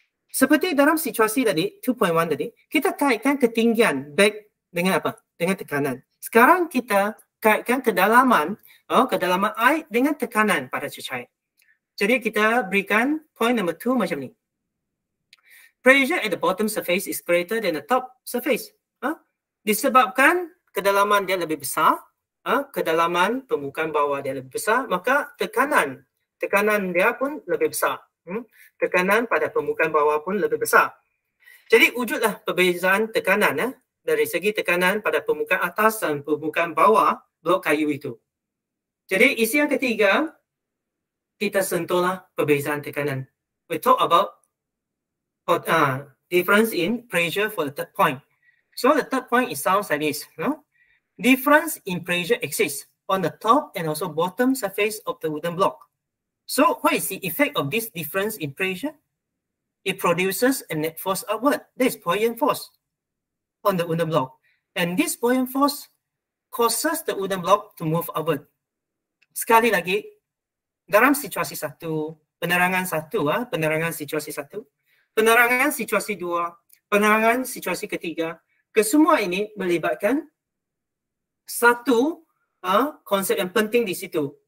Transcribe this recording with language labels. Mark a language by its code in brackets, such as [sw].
[ms] Seperti dalam situasi tadi, 2.1 tadi, kita kaitkan ketinggian back dengan apa? Dengan tekanan. Sekarang kita kaitkan kedalaman air dengan tekanan pada cecair. Jadi kita berikan point number 2 macam ni. [en] Pressure at the bottom surface is greater than the top surface. [ms] Disebabkan kedalaman dia lebih besar, kedalaman permukaan bawah dia lebih besar, maka tekanan dia pun lebih besar. Tekanan pada permukaan bawah pun lebih besar. Jadi wujudlah perbezaan tekanan dari segi tekanan pada permukaan atas dan permukaan bawah blok kayu itu. Jadi isi yang ketiga, kita sentuhlah perbezaan tekanan. [en] We talk about difference in pressure for the third point. So the third point is sounds like this. No? Difference in pressure exists on the top and also bottom surface of the wooden block. So what is the effect of this difference in pressure? It produces a net force upward. That is buoyant force on the wooden block. And this buoyant force causes the wooden block to move upward. [ms] Sekali lagi, dalam situasi satu, penerangan satu, penerangan situasi satu, penerangan situasi dua, penerangan situasi ketiga, kesemua ini melibatkan satu konsep yang penting di situ.